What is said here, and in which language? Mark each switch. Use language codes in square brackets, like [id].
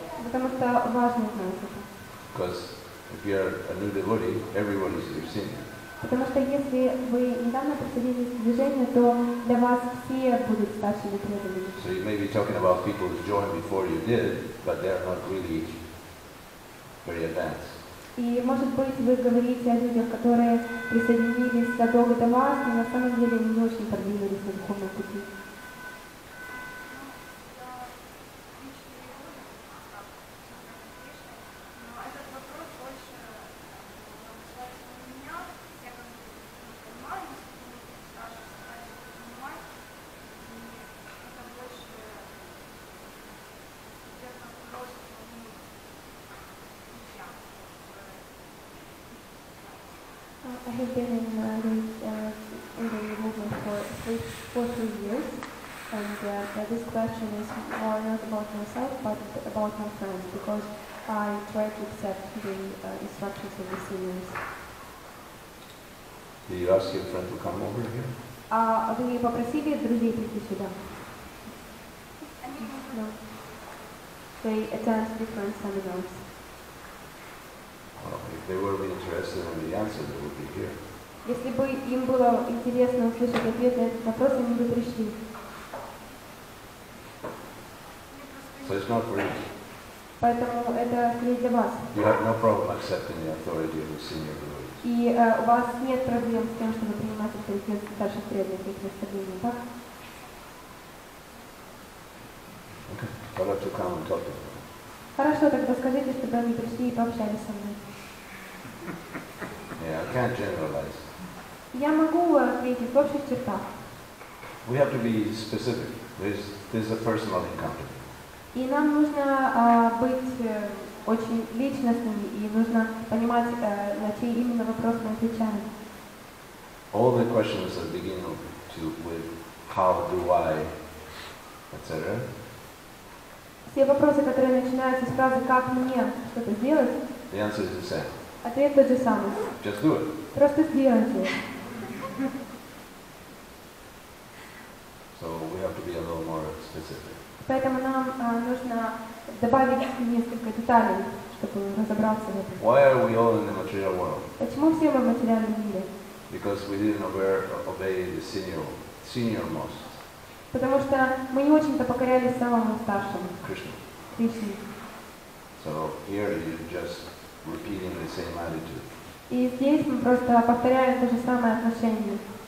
[en] Because if you are a new devotee, everyone is your senior. [ru] Потому что если вы недавно присоединились к движению, то для вас все будут старшими преданными. [en] So you may be talking about people who joined before you did, but they are not really very advanced. [ru] И, может быть, вы говорите о людях, которые присоединились задолго до вас, но на самом деле они не очень продвинулись на духовном пути. [en] Yeah. I have been in the movement for three years, and this question is more not about myself, but about my friends, because I try to accept the instructions of the seniors. Do you ask your friend to come over here? [ru] Вы попросили друзей прийти сюда? [en] No. They attend different seminars. Well, if they were really interested in the answer, they would be here. [ru] Если бы им было интересно услышать ответ на этот вопрос, они бы пришли. [en] So it's not for you. [ru] Поэтому это не для вас. [en] You have no problem accepting the authority of the senior group. [ru] И у вас нет проблем с тем, чтобы принимать авторитет старших преданных и наставлений, так? [en] Okay. I'll have to come and talk to them. [ru] Хорошо, тогда скажите, чтобы они пришли и пообщались со мной. [en] Yeah, I can't generalize. [ru] Я могу ответить в общих чертах. [en] We have to be specific. This is a personal encounter. [ru] И нам нужно быть очень личностными, и нужно понимать, на чей именно вопрос мы отвечаем. [en] All the questions that begin with how do I, etc. [ru] Все вопросы, которые начинаются с фразы «как мне что-то сделать?», [en] the answer is the same. [ru] Ответ тот же самый. [en] Just do it. [ru] Просто сделайте. [en] So we have to be a little more specific. [ru] Поэтому нам нужно добавить несколько деталей, чтобы разобраться в этом. [en] Why are we all in the material world? [ru] Почему все мы в материальном мире? [en] Because we didn't obey the senior most. [ru] Потому что мы не очень-то покорялись самому старшему. [en] Krishna. [ru] Кришне. [en] So here you're just repeating the same attitude. [ru] И здесь мы просто повторяем то же самое отношение.